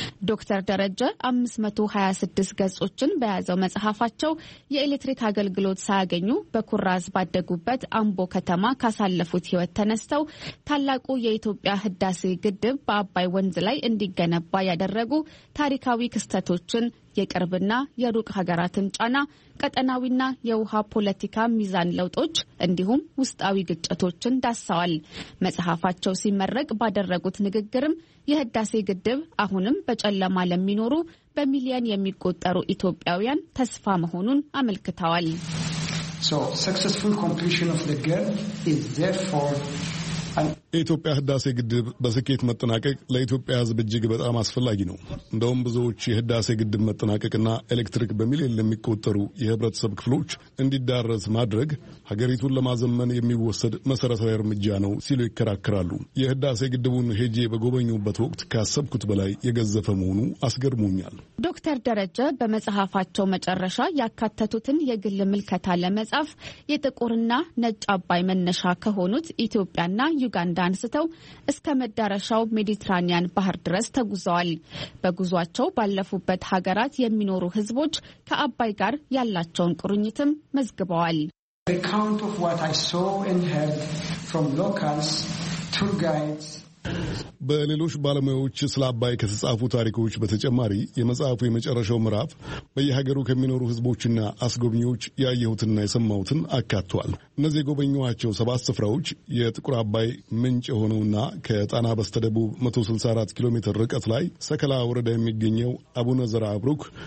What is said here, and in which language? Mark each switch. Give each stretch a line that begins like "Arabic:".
Amharic: ዶክተር ደረጀ 526 ገጾችን በያዘው መጽሐፋቸው የኤሌክትሪክ አገልግሎት ሳያገኙ በኩራዝ ባደጉበት አምቦ ከተማ ካሳለፉት ህይወት ተነስተው ታላቁ የኢትዮጵያ ህዳሴ ግድብ በአባይ ወንዝ ላይ እንዲገነባ ያደረጉ ታሪካዊ ክስተቶችን የቅርብና የሩቅ ሀገራትን ጫና ቀጠናዊና የውሃ ፖለቲካ ሚዛን ለውጦች እንዲሁም ውስጣዊ ግጭቶችን ዳሰዋል። መጽሐፋቸው ሲመረቅ ባደረጉት ንግግርም የህዳሴ ግድብ አሁንም በጨለማ ለሚኖሩ በሚሊየን የሚቆጠሩ ኢትዮጵያውያን ተስፋ መሆኑን አመልክተዋል።
English: So successful completion of the game is therefore
Amharic: የኢትዮጵያ ህዳሴ ግድብ በስኬት መጠናቀቅ ለኢትዮጵያ ህዝብ እጅግ በጣም አስፈላጊ ነው። እንደውም ብዙዎች የህዳሴ ግድብ መጠናቀቅና ኤሌክትሪክ በሚሊየን ለሚቆጠሩ የህብረተሰብ ክፍሎች እንዲዳረስ ማድረግ ሀገሪቱን ለማዘመን የሚወሰድ መሰረታዊ እርምጃ ነው ሲሉ ይከራከራሉ። የህዳሴ ግድቡን ሄጄ በጎበኙበት ወቅት ካሰብኩት በላይ የገዘፈ መሆኑ አስገርሞኛል። ዶክተር ደረጀ በመጽሐፋቸው መጨረሻ ያካተቱትን የግል ምልከታ ለመጻፍ የጥቁርና ነጭ አባይ መነሻ ከሆኑት ኢትዮጵያና ዩጋንዳ አንስተው እስከ መዳረሻው ሜዲትራኒያን ባህር ድረስ ተጉዘዋል። በጉዟቸው ባለፉበት ሀገራት የሚኖሩ ህዝቦች ከአባይ ጋር ያላቸውን ቁርኝትም መዝግበዋል።
English: The account of what I saw and heard from locals, tour guides,
Amharic: በሌሎች ባለሙያዎች ስለ አባይ ከተጻፉ ታሪኮች በተጨማሪ የመጽሐፉ የመጨረሻው ምዕራፍ በየሀገሩ ከሚኖሩ ህዝቦችና አስጎብኚዎች ያየሁትና የሰማሁትን አካቷል። እነዚህ የጎበኙዋቸው 7 ስፍራዎች የጥቁር አባይ ምንጭ የሆነውና ከጣና በስተደቡብ 164 ኪሎ ሜትር ርቀት ላይ ሰከላ ወረዳ የሚገኘው አቡነ ዘራ አብሩክ፣